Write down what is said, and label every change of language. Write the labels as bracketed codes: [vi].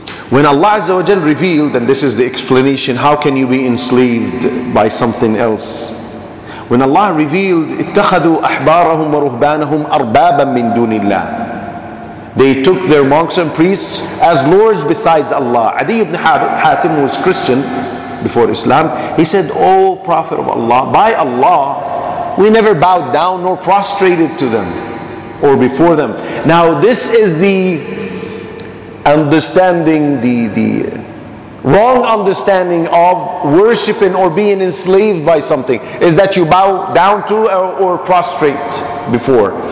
[en] When Allah Azza wa Jalla revealed, and this is the explanation, how can you be enslaved by something else? When Allah revealed, [ar] اتخذوا أحبارهم ورهبانهم أربابا من دون الله. [en] They took their monks and priests as lords besides Allah. Adi ibn Hatim was Christian before Islam. He said, oh Prophet of Allah, by Allah, we never bowed down nor prostrated to them or before them. Now this is the understanding, the wrong understanding of worshipping or being enslaved by something, is that you bow down to or prostrate before.